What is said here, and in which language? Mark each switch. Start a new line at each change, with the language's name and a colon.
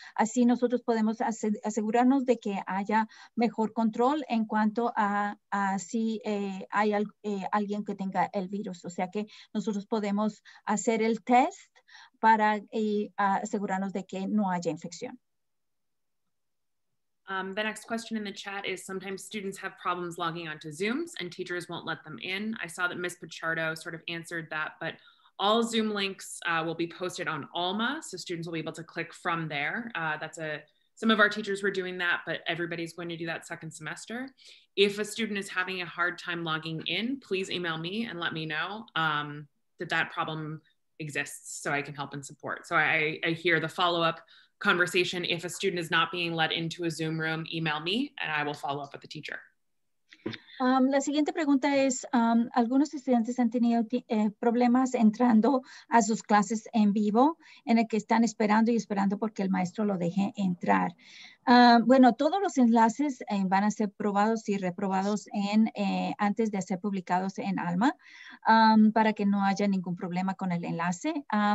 Spanish: Así nosotros podemos asegurarnos de que haya mejor control en cuanto a si hay alguien que tenga el virus. O sea que nosotros podemos hacer el test para asegurarnos de que no haya infección.
English: The next question in the chat is, sometimes students have problems logging onto Zooms and teachers won't let them in. I saw that Ms. Pichardo sort of answered that, but all Zoom links will be posted on Alma, so students will be able to click from there. Some of our teachers were doing that, but everybody's going to do that second semester. If a student is having a hard time logging in, please email me and let me know that problem exists so I can help and support. So I hear the follow-up conversation. If a student is not being let into a Zoom room, email me and I will follow up with the teacher.
Spanish: La siguiente pregunta es, algunos estudiantes han tenido problemas entrando a sus clases en vivo, en el que están esperando y esperando porque el maestro lo deje entrar. Bueno, todos los enlaces van a ser probados y reprobados antes de ser publicados en Alma para que no haya ningún problema con el enlace.